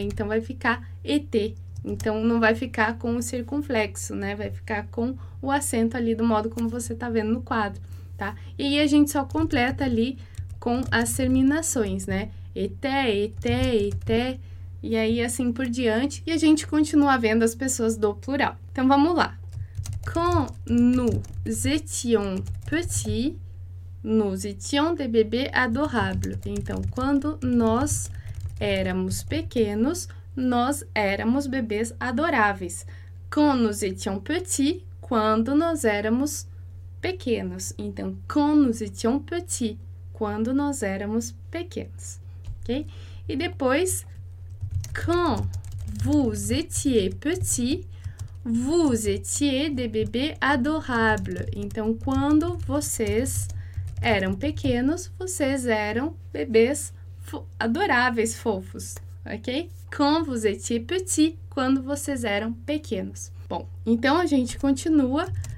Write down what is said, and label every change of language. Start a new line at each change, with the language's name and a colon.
Portuguese: Então, vai ficar et. Então, não vai ficar com o circunflexo, né? Vai ficar com o acento ali do modo como você tá vendo no quadro, tá? E aí a gente só completa ali com as terminações, né? Eté, e aí assim por diante. E a gente continua vendo as pessoas do plural. Então, vamos lá.
French: Quand nous étions des bébés adorables.
Portuguese: Então, quando nós éramos pequenos, nós éramos bebês adoráveis.
French: Quand nous étions petits,
Portuguese: quando nós éramos pequenos. Então,
French: quand nous étions petits,
Portuguese: quando nós éramos pequenos. Ok? E depois,
French: quand vous étiez petit, vous étiez des bébés adorables.
Portuguese: Então, quando vocês eram pequenos, vocês eram bebês adoráveis, fofos. Ok?
French: Quand vous étiez petit,
Portuguese: quando vocês eram pequenos. Bom, então a gente continua.